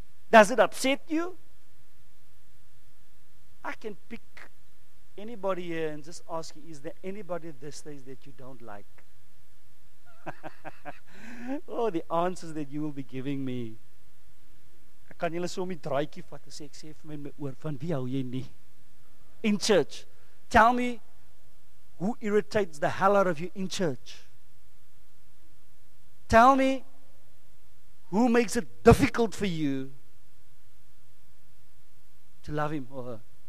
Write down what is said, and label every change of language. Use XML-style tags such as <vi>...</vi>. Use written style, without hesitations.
<en>Does it upset you? I can pick anybody here and just ask you, is there anybody this day that you don't like? Oh, the answers that you will be giving me.</en> <af>Kan julle so my draaitjie vat en sê, ek sê vir my oor, van wie hou jy nie?</af> <en>In church, tell me who irritates the hell out of you in church. Tell me who makes it difficult for you to love him or her.</en>